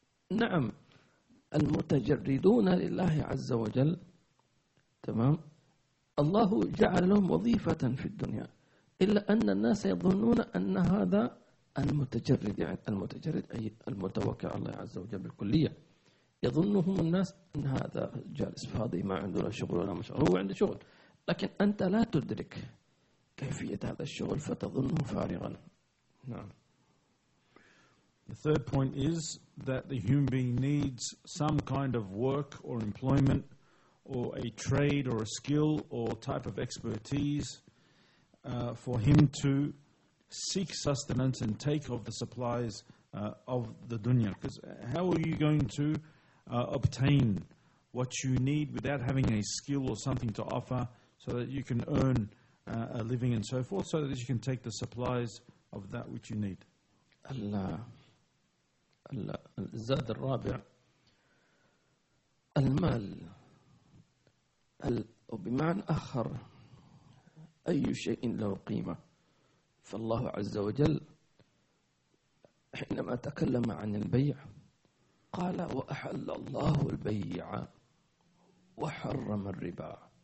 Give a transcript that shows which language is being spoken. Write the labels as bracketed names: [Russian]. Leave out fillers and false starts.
[Arabic] نعم المتجردون لله عز وجل تمام الله جعل لهم وظيفة في الدنيا، إلا أن الناس يظنون أن هذا المتجرد يعني المتجرد أي المتوكل على الله عز وجل بالكلية، يظنهم الناس أن هذا جالس فاضي ما عنده لا شغل ولا مشغل، هو عنده شغل لكن أنت لا تدرك كيفية هذا الشغل فتظنه فارغا. نعم. [English] The third point is that the human being needs some kind of work or employment or a trade or a skill or type of expertise for him to seek sustenance and take of the supplies of the dunya. Because how are you going to obtain what you need without having a skill or something to offer so that you can earn a living and so forth, so that you can take the supplies of that which you need? [Arabic] Allah. الزاد الرابع المال وبمعنى آخر أي شيء له قيمة. فالله عز وجل حينما تكلم عن البيع قال وأحل الله البيع وحرم الربا.